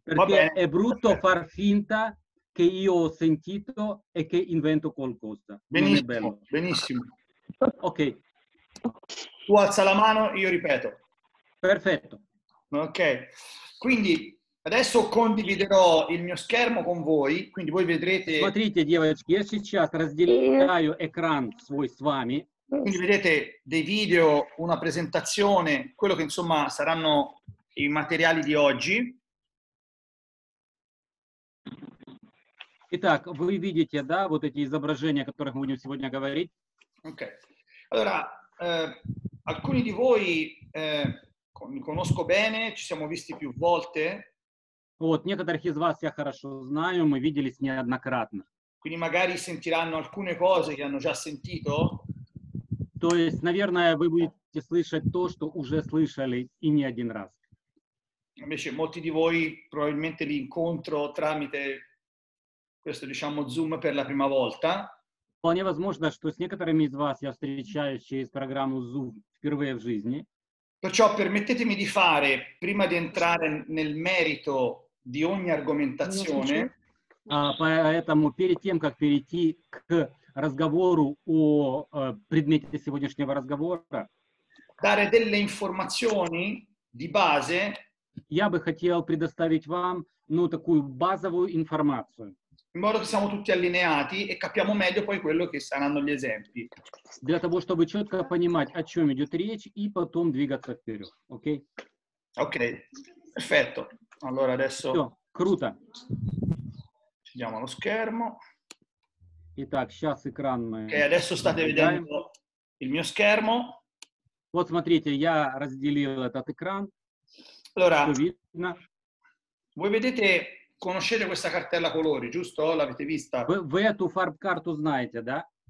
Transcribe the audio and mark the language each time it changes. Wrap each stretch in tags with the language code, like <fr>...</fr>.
<it>perché è brutto far finta che io ho sentito e che invento qualcosa. Benissimo, non è bello. Benissimo. Ok. Tu alza la mano, io ripeto. Perfetto. Ok. Quindi adesso condividerò il mio schermo con voi, quindi voi vedrete...</it> <ru>Смотрите, девочки, я сейчас разделяю экран свой с вами.</ru> <it>Quindi vedete dei video, una presentazione, quello che insomma saranno i materiali di oggi.</it> <ru>Итак, вы видите, да, вот эти изображения, о которых мы будем сегодня говорить?</ru> <it>Ok. Allora, alcuni di voi mi conosco bene, ci siamo visti più volte.</it> <ru>Вот, некоторых из вас я хорошо знаю, мы виделись неоднократно.</ru> <it>Quindi magari sentiranno alcune cose che hanno già sentito.</it> <ru>То есть, наверное, вы будете слышать то, что уже слышали и не один раз.</ru> <it>Invece molti di voi probabilmente li incontro tramite questo, diciamo, Zoom per la prima volta.</it> <ru>Вполне возможно, что с некоторыми из вас я встречаюсь через программу Zoom впервые в жизни.</ru> <it>Perciò permettetemi di fare, prima di entrare nel merito di ogni argomentazione,</it> <ru>поэтому перед тем, как перейти к разговору о предмете сегодняшнего разговора,</ru> <it>dare delle informazioni di base,</it> <ru>я бы хотел предоставить вам, ну, такую базовую информацию.</ru> <it>In modo che siamo tutti allineati e capiamo meglio poi quello che saranno gli esempi.</it> <ru>Для того, чтобы четко понимать, о чем идет речь, и потом двигаться вперед, окей? Окей, перфетто.</ru> <it>Allora adesso...</it> <ru>Все, круто.</ru> <it>Accendiamo lo schermo.</it> <ru>Итак, сейчас экран мы...</ru> <it>Okay, adesso state vedendo il mio schermo.</it> <ru>Вот смотрите, я разделил этот экран.</ru> <it>Allora, voi vedete... Conoscete questa cartella colori, giusto? L'avete vista?</it> <ru>Voi tu farb carto знаете, да?</ru>